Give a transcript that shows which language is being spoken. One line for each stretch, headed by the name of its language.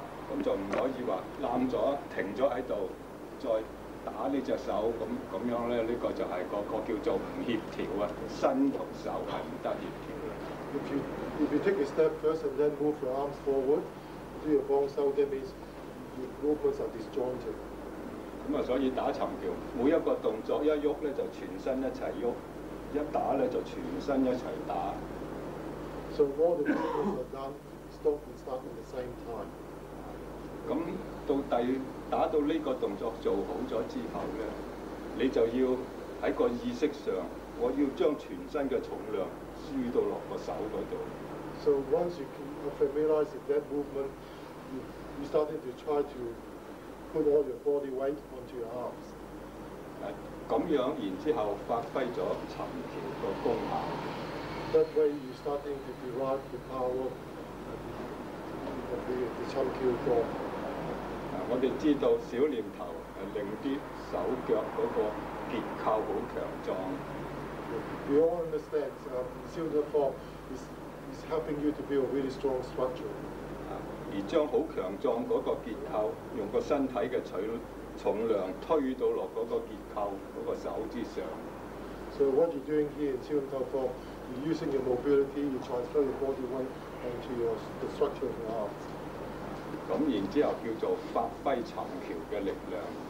Cantonese: 咁就唔可以話攬咗停咗喺度，再打呢隻手咁樣咧，這個就係個叫做唔協調啊，身同手係唔得協調。
English: If you take a step first and then move your arms forward, do your bong sao, that means your movements are disjointed.
Cantonese: 咁啊，所以打沉橋，每一個動作一喐咧，就全身一齊喐；一打咧，就全身一齊打。
English: So all the movements are done, stop and start at the same time.
Cantonese: 咁到第打到呢個動作做好咗之後咧，你就要喺個意識上，我要將全身嘅重量。
English: So once you are familiarized with that movement, you started to try to put all your body weight onto your arms.
Cantonese: 咁樣，然之後發揮咗沉橋個功效。
English: That way you starting to derive the power of the Chum Q form.
Cantonese: 我哋知道小念頭令啲手腳嗰個結構好強壯。
English: We all understand silver form is helping you to build a really strong structure.
Cantonese: 而將好強壯嗰個結構，用個身體嘅重量推到落嗰個結構嗰個手之上。
English: So what you're doing here in silver form, you're using your mobility, you transfer your body weight onto the structure of your arms.
Cantonese: 咁然之後叫做發揮沉橋嘅力量。